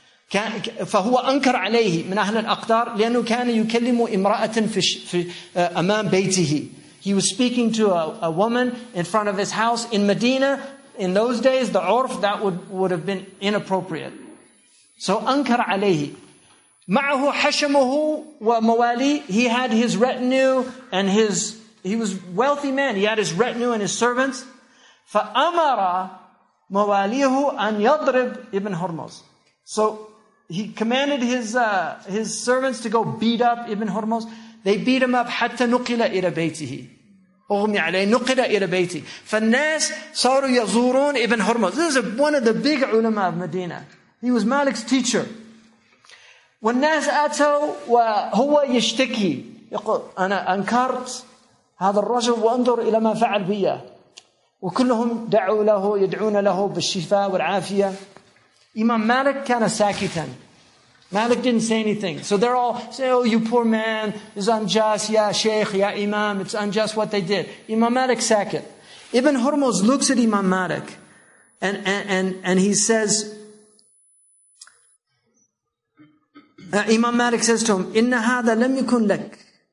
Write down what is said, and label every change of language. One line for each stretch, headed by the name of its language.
Arabic: فهو أنكر عليه من أهل الأقدار لأنه كان يكلم امرأة في أمام بيته.
English: He was speaking to a woman in front of his house in Medina. In those days, the عرف, that would have been inappropriate. So
Arabic: أنكر عليه. معه حشمه وموالي.
English: He had his retinue and his, he was a wealthy man. He had his retinue and his servants.
Arabic: فأمر مواليه أن يضرب ابن هرمز.
English: So he commanded his servants to go beat up Ibn Hurmuz. They beat him up.
Arabic: حتى نقل إلى بيته. أغمي عليه نقل إلى بيته. فالناس صاروا يزورون Ibn Hurmuz.
English: This is one of the big ulama of Medina. He was Malik's teacher.
Arabic: والناس أتوا وهو يشتكي. يقول أنا أنكرت هذا الرجل وانظر إلى ما فعل بي. وكلهم دعوا له يدعون له بالشفاء والعافية.
English: Imam Malik
Arabic: كان ساكتاً.
English: Malik didn't say anything. So they're all saying, oh, you poor man, it's unjust.
Arabic: Ya Shaykh, ya Imam,
English: it's unjust what they did. Imam Malik ساكت. Ibn Hurmuz looks at Imam Malik and he says, Imam Malik says to him,
Arabic: إِنَّ هَذَا لَمْ يُكُنْ لَكْ.